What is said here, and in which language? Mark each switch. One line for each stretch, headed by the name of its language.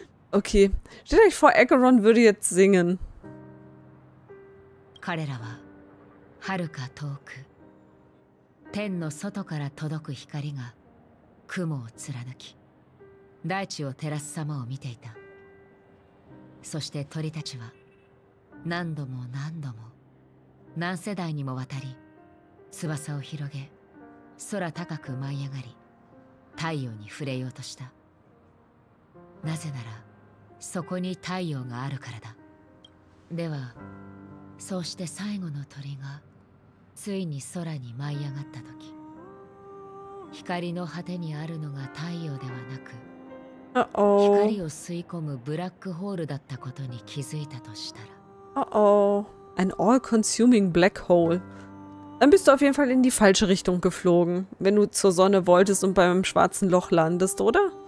German: Okay, stellt euch vor, Acheron würde jetzt singen.
Japanese: 彼らは遥か遠く天の外から届く光が雲を貫き大地を照らす様を見ていた。そして鳥たちは何度も何度も何世代にもわたり翼を広げ空高く舞い上がり太陽に触れようとした。なぜならそこに太陽があるからだ。ではそうして最後の鳥がついに空に舞い上がった時、光の果てにあるのが太陽ではなく光を吸い込むブラックホールだったことに気づいたとしたら、
English: An all-consuming black hole.
German: Dann bist du auf jeden Fall in die falsche Richtung geflogen, wenn du zur Sonne wolltest und beim schwarzen Loch landest, oder?